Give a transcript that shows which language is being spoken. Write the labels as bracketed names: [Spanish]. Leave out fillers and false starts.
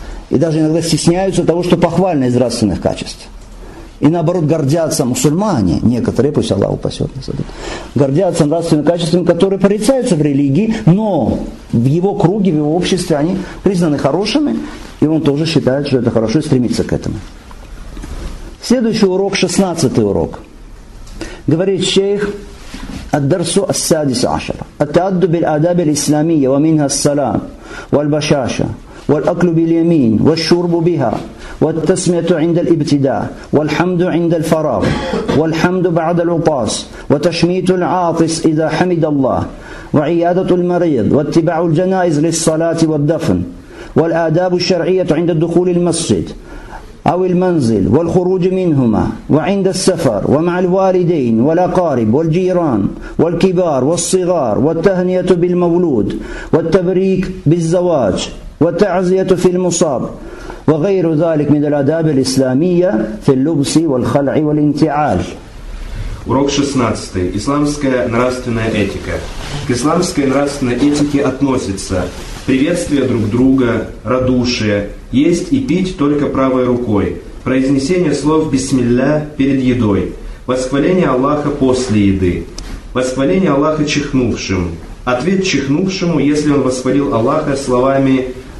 [Russian] И даже иногда стесняются того, что похвально из нравственных качеств. И наоборот, гордятся мусульмане, некоторые, пусть Аллах упасет нас, гордятся нравственными качествами, которые порицаются в религии, но в его круге, в его обществе они признаны хорошими, и он тоже считает, что это хорошо, и стремится к этому. Следующий урок, 16-й урок. Говорит шейх, [Arabic] «Ад-дарсу ас-садису ашара, ат-тааду биль-адаби ал-исламия, ва минха ас-салам, валь-башаша, валь-аклю биль-ямин, валь-шурбу биха». والتسمية عند الابتداء والحمد عند الفراغ والحمد بعد العطاس وتشميت العاطس إذا حمد الله وعيادة المريض واتباع الجنائز للصلاة والدفن والآداب الشرعية عند دخول المسجد أو المنزل والخروج منهما وعند السفر ومع الوالدين والأقارب والجيران والكبار والصغار والتهنئة بالمولود والتبريك بالزواج والتعزية في المصاب وغير ذلك من الآداب الإسلامية في اللبس والخلع والانتعال. [Russian] Урок 16. Исламская нравственная этика. К исламской нравственной этике относится приветствие друг друга, радушие, есть и пить только правой рукой, произнесение слов «бисмилля» перед едой, восхваление Аллаха после еды, восхваление Аллаха чихнувшим, ответ чихнувшему, если он восхвалил Аллаха словами